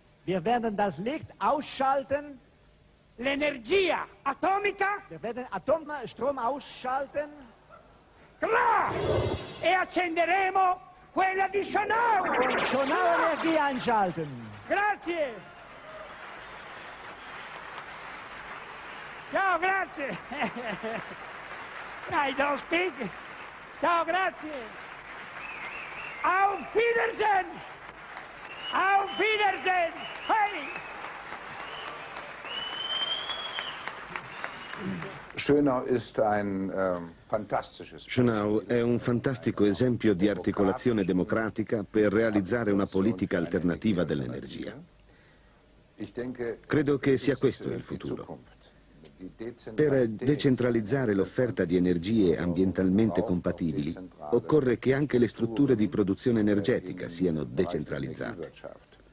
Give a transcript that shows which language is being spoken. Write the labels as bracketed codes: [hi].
[de] Wir werden das Licht ausschalten. [it] L'energia atomica. [de] Wir werden Atomstrom ausschalten. Klar! [it] E accenderemo quella di Schonau. [de] Schonau Energie einschalten. [it] Grazie. Ciao, grazie. [en] I don't speak. [it] Ciao, grazie. [de] Auf Wiedersehen. Auf Wiedersehen. Hey. Schönau ist ein fantastisches. [it] Schönau è un fantastico esempio di articolazione democratica per realizzare una politica alternativa dell'energia. Credo che sia questo il futuro. Per decentralizzare l'offerta di energie ambientalmente compatibili, occorre che anche le strutture di produzione energetica siano decentralizzate.